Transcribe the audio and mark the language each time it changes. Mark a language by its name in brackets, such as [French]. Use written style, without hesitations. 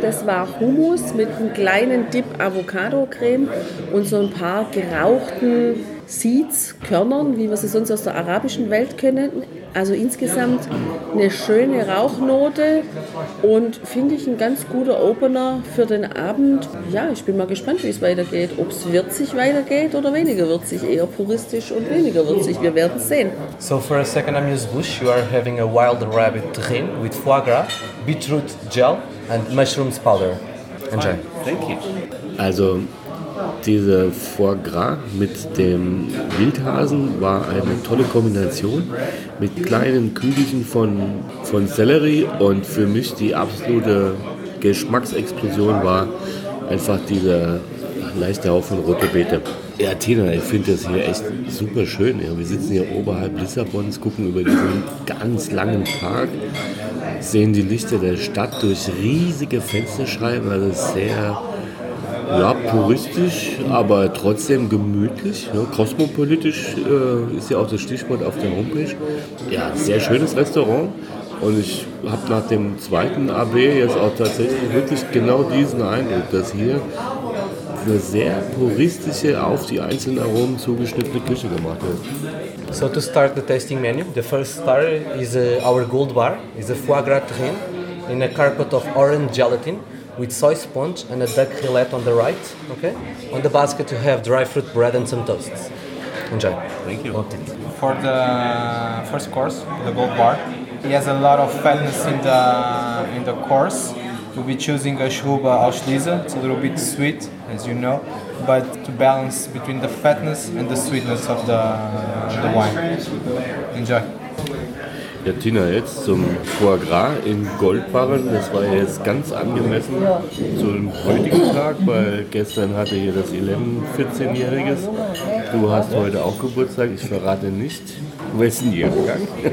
[German] Das war Hummus mit einem kleinen Dip Avocado-Creme und so ein paar gerauchten Seeds, Körnern, wie wir sie sonst aus der arabischen Welt kennen. Also insgesamt eine schöne Rauchnote und finde ich ein ganz guter Opener für den Abend. Ja, ich bin mal gespannt, wie es weitergeht, ob es würzig weitergeht oder weniger würzig, eher puristisch und weniger würzig. Wir werden es sehen. [English] So for a second amuse bouche, you are having a wild rabbit drin with foie gras, beetroot gel and mushrooms powder. Enjoy. Thank you. [German] Also diese Foie Gras mit dem Wildhasen war eine tolle Kombination mit kleinen Kügelchen von Sellerie und für mich die absolute Geschmacksexplosion war einfach dieser leichter Haufen rote Beete. Ja, Tina, ich finde das hier echt super schön. Ja, wir sitzen hier oberhalb Lissabons, gucken über diesen ganz langen Park, sehen die Lichter der Stadt durch riesige Fensterscheiben. Also sehr, ja, puristisch, aber trotzdem gemütlich. Ja, kosmopolitisch ist ja auch das Stichwort auf der Homepage. Ja, sehr schönes Restaurant. Und ich habe nach dem zweiten AB jetzt auch tatsächlich wirklich genau diesen Eindruck, dass hier eine sehr puristische, auf die einzelnen Aromen zugeschnittene Küche gemacht wird. [English] So, to start the tasting menu, the first starter is our gold bar, is a foie gras tahin in a carpet of orange gelatin with soy sponge and a duck rillette on the right. Okay? On the basket you have dry fruit bread and some toasts. Enjoy. Thank you. For the first course, the gold bar, he has a lot of fatness in the course. We'll be choosing a Shuba Auslese. It's a little bit sweet, as you know, but to balance between the fatness and the sweetness of the wine. Enjoy. [German] Ja, Tina, jetzt zum Foie Gras in Goldbarren. Das war jetzt ganz angemessen zu dem heutigen Tag, weil gestern hatte hier das 11-14-Jähriges. Du hast heute auch Geburtstag. Ich verrate nicht, wessen Jahrgang.